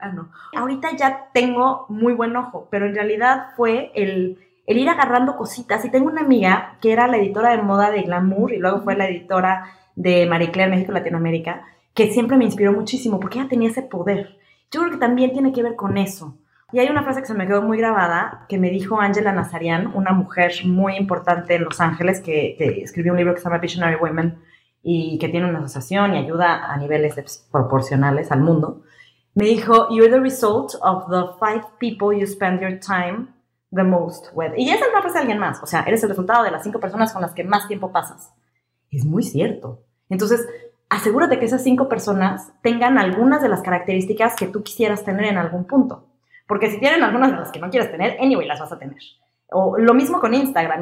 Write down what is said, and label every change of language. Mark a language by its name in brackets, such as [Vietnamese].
[Spanish] Ah, no, ahorita ya tengo muy buen ojo, pero en realidad fue el ir agarrando cositas. Y tengo una amiga que era la editora de moda de Glamour y luego fue la editora de Marie Claire México Latinoamérica, que siempre me inspiró muchísimo porque ella tenía ese poder. Yo creo que también tiene que ver con eso. Y hay una frase que se me quedó muy grabada que me dijo Angela Nazarian, una mujer muy importante en Los Ángeles que escribió un libro que se llama Visionary Women y que tiene una asociación y ayuda a niveles proporcionales al mundo. Me dijo, [English] you're the result of the five people you spend your time the most with. [Spanish] Y esa es una frase de alguien más. O sea, eres el resultado de las cinco personas con las que más tiempo pasas. Es muy cierto. Entonces, asegúrate que esas cinco personas tengan algunas de las características que tú quisieras tener en algún punto. Porque si tienen algunas de las que no quieres tener, anyway, las vas a tener. O lo mismo con Instagram.